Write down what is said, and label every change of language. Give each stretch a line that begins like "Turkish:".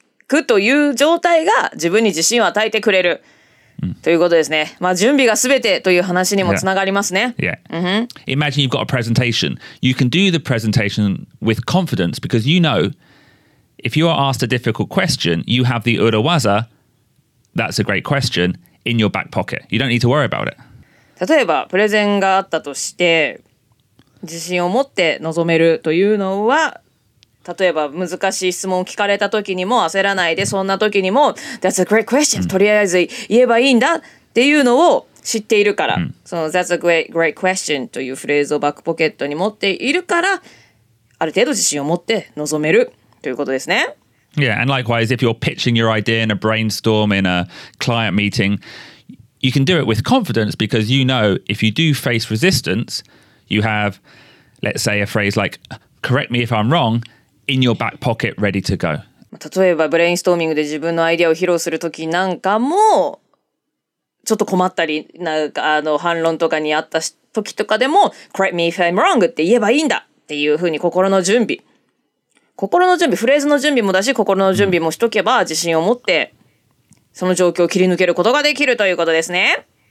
Japanese: くという状態が自分に自信を与えてくれる、ということですね。まあ準備がすべてという話にもつながりますね。
English: Yeah. Yeah. Mm-hmm. Imagine you've got a presentation. You can do the presentation with confidence because you know if you are asked a difficult question, you have the urawaza, that's a great question, in your back pocket. You don't need to worry about it.
Japanese: 例えばプレゼンがあったとして自信を持って臨めるというのは例えば難しい質問を聞かれた時にも焦らないでそんな時にも
English: That's a great question、
Japanese: とりあえず言えばいいんだっていうのを知っているから、その
English: That's a great, great question
Japanese: というフレーズをバックポケットに持っているからある程度自信を持って臨めるということですね。
English: Yeah, and likewise if you're pitching your idea in a brainstorm in a client meeting you can do it with confidence because you know if you do face resistance you have, let's say a phrase like correct me if I'm wrong in your back pocket, ready to go.
Japanese: 例えばブレインストーミングで自分のアイデアを披露するときなんかもちょっと困ったりなんかあの反論とかにあったときとかでも
English: Correct me if I'm wrong
Japanese: って言えばいいんだっていうふうに心の準備心の準備、フレーズの準備もだし心の準備もしとけば自信を持ってその状況を切り抜けることができるということですね、